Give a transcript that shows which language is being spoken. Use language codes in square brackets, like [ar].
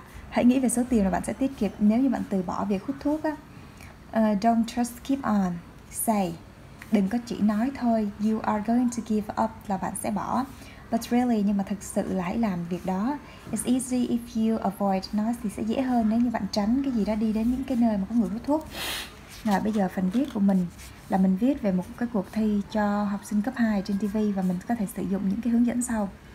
[vi] Hãy nghĩ về số tiền mà bạn sẽ tiết kiệm nếu như bạn từ bỏ việc hút thuốc á. [en] Don't just keep on say. [vi] Đừng có chỉ nói thôi. [en] You are going to give up, [vi] là bạn sẽ bỏ. [en] But really, [vi] nhưng mà thực sự là hãy làm việc đó. [en] It's easy if you avoid noise, [vi] thì sẽ dễ hơn nếu như bạn tránh cái gì đó, đi đến những cái nơi mà có người hút thuốc. Rồi bây giờ phần viết của mình là mình viết về một cái cuộc thi cho học sinh cấp 2 trên TV, và mình có thể sử dụng những cái hướng dẫn sau.